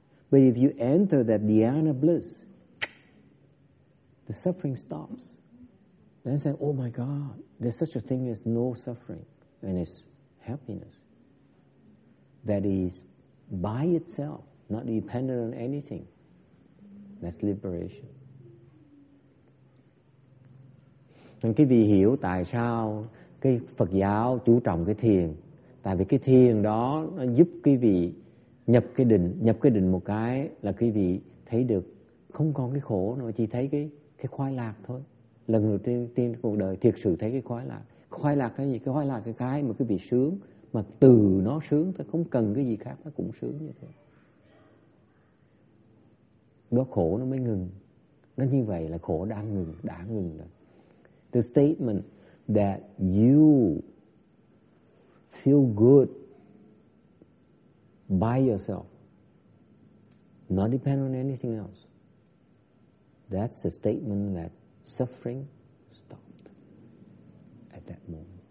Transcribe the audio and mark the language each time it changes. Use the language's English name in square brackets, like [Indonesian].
[English] But if you enter that dhyana bliss, the suffering stops. Then say, oh my God, there's such a thing as no suffering, and it's happiness. That is by itself, not dependent on anything. That's liberation. [Vietnamese] Nên quý vị hiểu tại sao cái Phật giáo chú trọng cái thiền. Tại vì cái thiền đó nó giúp quý vị nhập cái định. Nhập cái định một cái là quý vị thấy được không còn cái khổ nữa, chỉ thấy cái khoái lạc thôi. Lần đầu tiên cuộc đời thiệt sự thấy cái khoái lạc. Khoái lạc cái gì? Cái khoái lạc cái mà quý vị sướng, mà từ nó sướng thôi, không cần cái gì khác nó cũng sướng như thế. Đó khổ nó mới ngừng. Nó như vậy là khổ đang ngừng, đã ngừng rồi. [English] The statement that you feel good by yourself, not depend on anything else, that's the statement that suffering stopped at that moment.